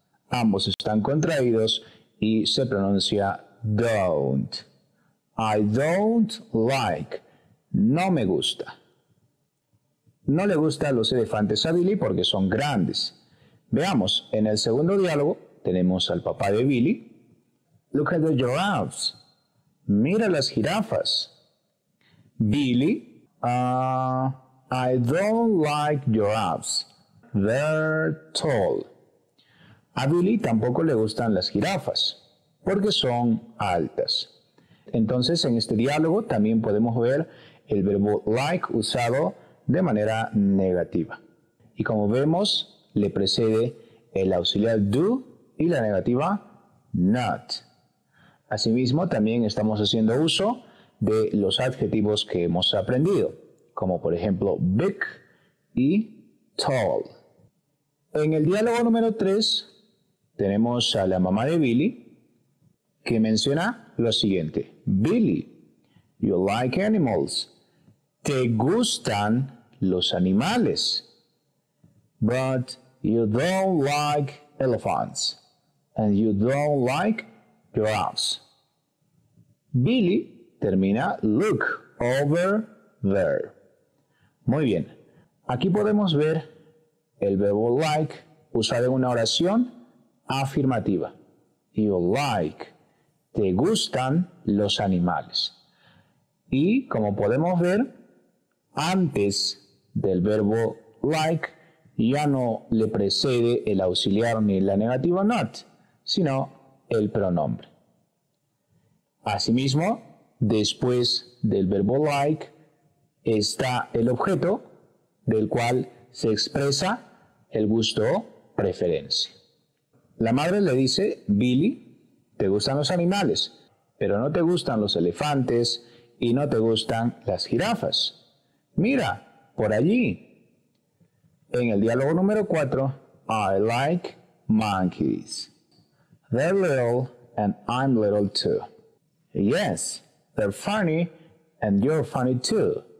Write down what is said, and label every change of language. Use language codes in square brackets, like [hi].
[es] Ambos están contraídos y se pronuncia don't. [en] I don't like. [es] No me gusta. No le gustan los elefantes a Billy porque son grandes. Veamos, en el segundo diálogo tenemos al papá de Billy. [en] Look at the giraffes. [es] Mira las jirafas. [en] Billy, I don't like giraffes. They're tall. [es] A Billy tampoco le gustan las jirafas, porque son altas. Entonces, en este diálogo también podemos ver el verbo like usado de manera negativa. Y como vemos, le precede el auxiliar do y la negativa not. Asimismo, también estamos haciendo uso de los adjetivos que hemos aprendido, como por ejemplo big y tall. En el diálogo número 3, tenemos a la mamá de Billy que menciona lo siguiente. [en] Billy, you like animals. [es] Te gustan los animales. [en] But you don't like elephants. And you don't like giraffes. Billy [es] termina [en] look over there. [es] Muy bien. Aquí podemos ver el verbo like usado en una oración afirmativa. [en] You like. [es] Te gustan los animales. Y como podemos ver, antes del verbo like ya no le precede el auxiliar ni la negativa not, sino el pronombre. Asimismo, después del verbo like está el objeto del cual se expresa el gusto o preferencia. La madre le dice, Billy, te gustan los animales, pero no te gustan los elefantes y no te gustan las jirafas. Mira, por allí. En el diálogo número 4, [en] I like monkeys. They're little and I'm little too. Yes, they're funny and you're funny too.